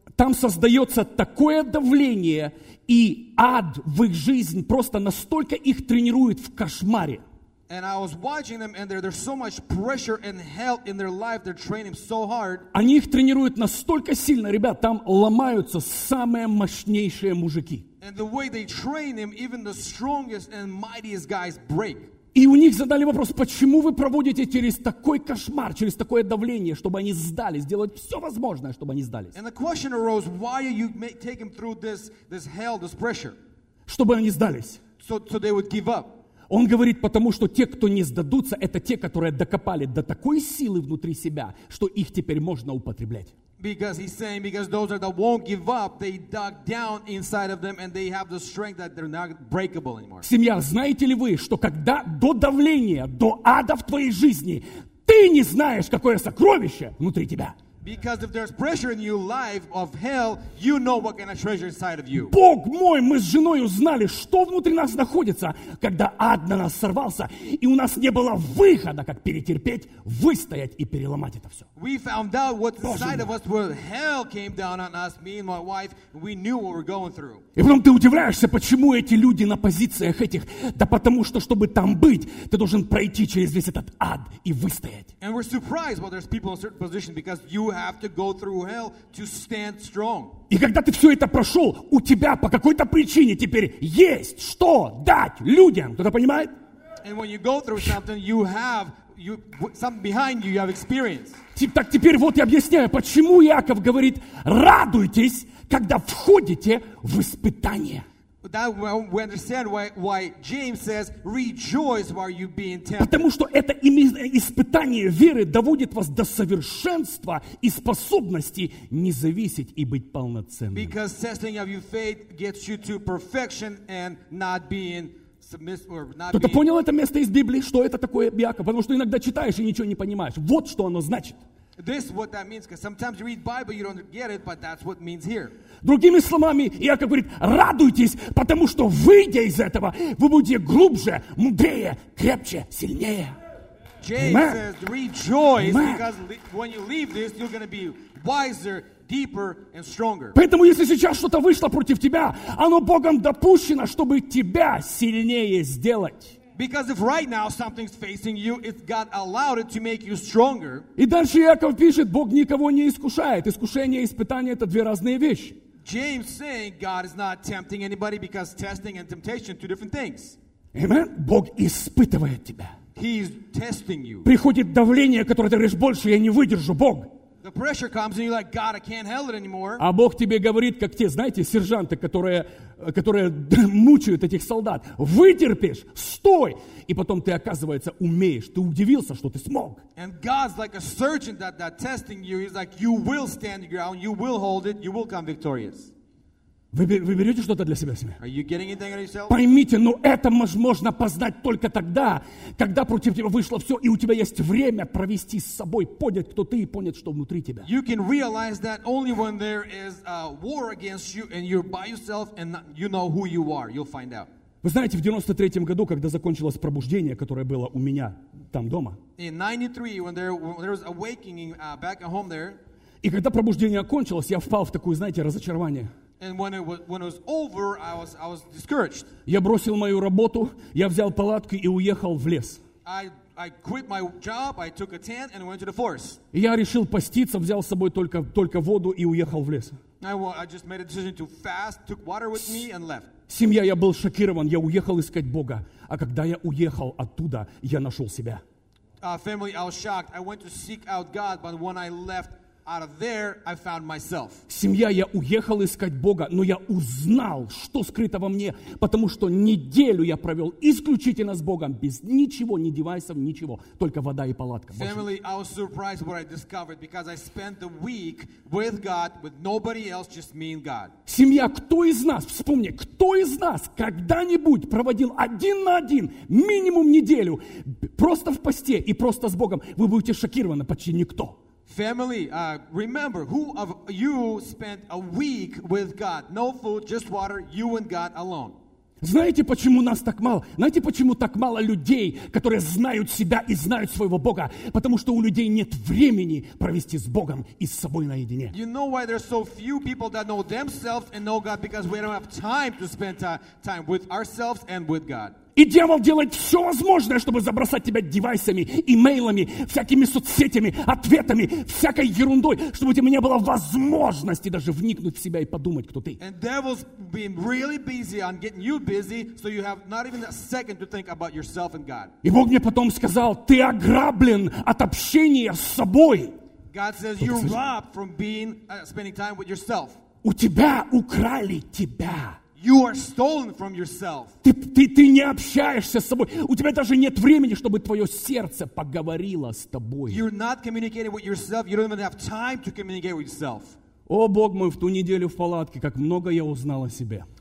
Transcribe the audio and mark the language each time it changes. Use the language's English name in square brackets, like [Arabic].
[Russian] Там создается такое давление и ад в их жизнь просто настолько их тренирует в кошмаре. [English] And I was watching them, and there's so much pressure and hell in their life. They're training so hard. [Russian] Они их тренируют настолько сильно, ребят, там ломаются самые мощнейшие мужики. [English] And the way they train them, even the strongest and mightiest guys break. [Russian] И у них задали вопрос, почему вы проводите через такой кошмар, через такое давление, чтобы они сдались, делать все возможное, чтобы они сдались. [English] And the question arose, why are you taking them through this hell, this pressure? [Russian] Чтобы они сдались. [English] So they would give up. [Russian] Он говорит, потому что те, кто не сдадутся, это те, которые докопали до такой силы внутри себя, что их теперь можно употреблять. [English] Because he's saying, because those are that won't give up, they dug down inside of them and they have the strength that they're not breakable anymore. [Russian] Семья, знаете ли вы, что когда до давления, до ада в твоей жизни, ты не знаешь, какое сокровище внутри тебя? [English] Because if there's pressure in your life of hell, you know what kind of treasure inside of you. [Russian] Бог мой, мы с женой узнали, что внутри нас находится, когда ад на нас сорвался, и у нас не было выхода, как перетерпеть, выстоять и переломать это все. [English] We found out what inside of us where hell came down on us, me and my wife, we knew what we're going through. [Russian] И потом ты удивляешься, почему эти люди на позициях этих, да потому что, чтобы там быть, ты должен пройти через весь этот ад и выстоять. [English] And we're surprised when there's people in certain positions because you have to go through hell to stand strong. [Russian] И когда ты все это прошел, у тебя по какой-то причине теперь есть что дать людям. Кто-то понимает? [English] And when you go through something, you have you something behind you, you have experience. [Russian] Так теперь вот я объясняю, почему Иаков говорит: радуйтесь, когда входите в испытание. [English] That we understand why James says rejoice while you be in temptation. [Russian] Потому что это именно испытание веры доводит вас до совершенства и способности не зависеть и быть полноценным. [English] Because testing of your faith gets you to perfection and not being submissive or not. [Russian] Кто-то понял это место из Библии, что это такое, Иаков? Потому что иногда читаешь и ничего не понимаешь. Вот что оно значит. [English] This is what that means. Because sometimes you read Bible, you don't get it, but that's what it means here. [Russian] Другими словами, Иаков говорит: радуйтесь, потому что выйдя из этого, вы будете глубже, мудрее, крепче, сильнее. [English] James says, rejoice, because when you leave this, you're going to be wiser, deeper, and stronger. [Russian] Поэтому, если сейчас что-то вышло против тебя, оно Богом допущено, чтобы тебя сильнее сделать. [English] Because if right now something's facing you, it's God allowed it to make you stronger. [Russian] И дальше Иаков пишет: Бог никого не искушает. Искушение и испытание — это две разные вещи. [English] James saying God is not tempting anybody because testing and temptation two different things. [Russian] Amen. Бог испытывает тебя. [English] He is testing you. [Russian] Приходит давление, которое ты говоришь: больше я не выдержу, Бог. [English] The pressure comes and you're like, God, I can't handle it anymore. [Russian] А Бог тебе говорит, как те, знаете, сержанты, которые мучают этих солдат: вытерпишь, стой, и потом ты, оказывается, умеешь, ты удивился, что ты смог. [English] And God's like a surgeon that testing you, he's like, you will stand your ground, you will hold it, you will come victorious. [Russian] Вы берете что-то для себя, семья? [English] Are you getting anything out of yourself? [Russian] Поймите, но это можно познать только тогда, когда против тебя вышло все, и у тебя есть время провести с собой, понять, кто ты, и понять, что внутри тебя. [English] You can realize that only when there is a war against you and you're by yourself and you know who you are, you'll find out. [Russian] Вы знаете, в 93-м году, когда закончилось пробуждение, которое было у меня там дома, [English] in 93, when there was awakening back at home there, [Russian] и когда пробуждение окончилось, я впал в такое, знаете, разочарование. [English] And when it was over, I was discouraged. [Russian] Я бросил мою работу, я взял палатку и уехал в лес. [English] I quit my job, I took a tent and went to the forest. [Russian] Я решил поститься, взял с собой только воду и уехал в лес. [English] I just made a decision to fast, took water with me and left. [Russian] Семья, я был шокирован, я уехал искать Бога, а когда я уехал оттуда, я нашел себя. [English] Family, I was shocked. I went to seek out God, but when I left out of there, I found myself. [Russian] Семья, я уехал искать Бога, но я узнал, что скрыто во мне, потому что неделю я провел исключительно с Богом, без ничего, ни девайсов, ничего, только вода и палатка. [English] Family, I was surprised what I discovered because I spent the week with God, with nobody else, just me and God. [Russian] Семья, кто из нас, вспомни, кто из нас когда-нибудь проводил один на один минимум неделю просто в посте и просто с Богом? Вы будете шокированы, почти никто. [English] Family, remember, who of you spent a week with God? No food, just water, you and God alone. [Russian] Знаете, почему нас так мало? Знаете, почему так мало людей, которые знают себя и знают своего Бога? Потому что у людей нет времени провести с Богом и с собой наедине. [English] You know why there's so few people that know themselves and know God? Because we don't have time to spend time with ourselves and with God. [Russian] И дьявол делает все возможное, чтобы забросать тебя девайсами, имейлами, всякими соцсетями, ответами, всякой ерундой, чтобы у тебя не было возможности даже вникнуть в себя и подумать, кто ты. [English] And devil's been really busy on getting you busy, so you have not even a second to think about yourself and God. [Russian] И Бог мне потом сказал: ты ограблен от общения с собой. [English] God says, you're robbed from being spending time with yourself. [Russian] У тебя украли тебя. [English] You are stolen from yourself. [Russian] Ты не общаешься с собой. У тебя даже нет времени, чтобы твое сердце поговорило с тобой. [English] You're not communicating with yourself. You don't even have time to communicate with yourself. [Russian] О, Бог мой, в ту неделю в палатке, как много я узнал о себе.